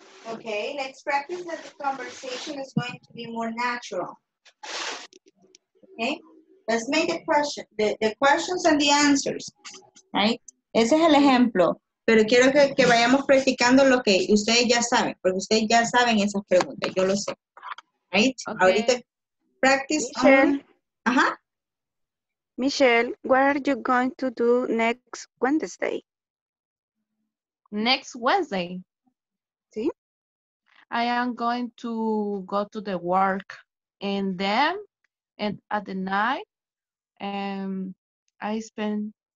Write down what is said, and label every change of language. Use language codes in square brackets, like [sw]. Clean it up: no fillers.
[en] Okay, let's practice that the conversation is going to be more natural. Okay, let's make the questions and the answers, right? [es] Ese es el ejemplo. Pero quiero que vayamos practicando lo que ustedes ya saben, porque ustedes ya saben esas preguntas, yo lo sé. [en] Right? Okay. Ahorita, practice. Michelle. Ajá. Michelle, what are you going to do next Wednesday? Next Wednesday? [es] Sí. [en] I am going to go to the work and then and at the night I spend